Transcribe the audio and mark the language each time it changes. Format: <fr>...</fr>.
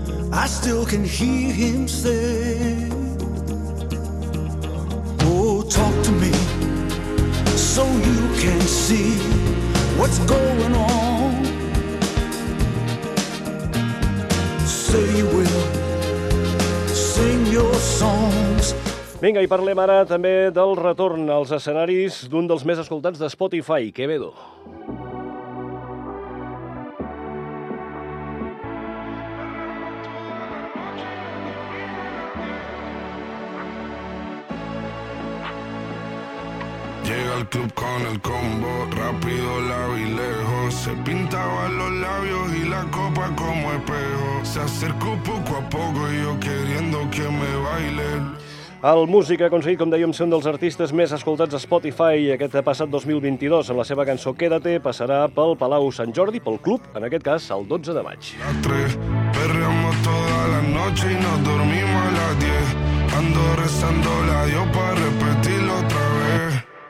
<en>I still can hear him say, talk to me, so you can see what's going on. Say you will sing your songs.</en> <ca>Vinga, i parlem ara també del retorn als escenaris d'un dels més escoltats de Spotify, Quevedo.</ca> <es>Club con el combo, rápido la vi lejos. Se pintaba los labios y la copa como espejo. Se acercó poco a poco y yo queriendo que me baile.</es> <ca>El músic ha aconseguit, com dèiem, ser un dels artistes més escoltats a Spotify aquest passat 2022. En la seva cançó Quédate passarà pel Palau Sant Jordi, pel club, en aquest cas, el 12 de maig.</ca> <es>Perreamos toda la noche y nos dormimos a las 10. Ando rezando la Dios para repetirlo otra vez.</es>